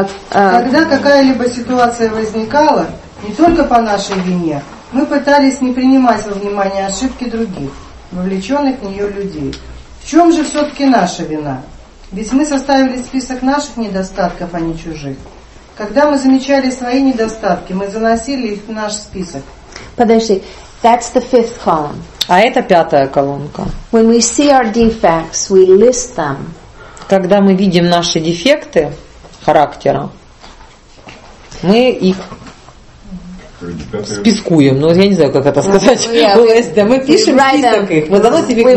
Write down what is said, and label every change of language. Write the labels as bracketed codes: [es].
[ru] Когда какая-либо ситуация возникала не только по нашей вине, мы пытались не принимать во внимание ошибки других, вовлеченных в нее людей. В чем же все-таки наша вина? Ведь мы составили список наших недостатков, а не чужих. Когда мы замечали свои недостатки, мы заносили их в наш список. Подожди, [en] that's the fifth column. [ru] А это пятая колонка. [en] When we see our defects, we list them. [ru] Когда мы видим наши дефекты характера, мы их спискуем. Ну, я не знаю, как это сказать. [en] Yeah, [ru] мы пишем список их. Мы заносим их в наш список.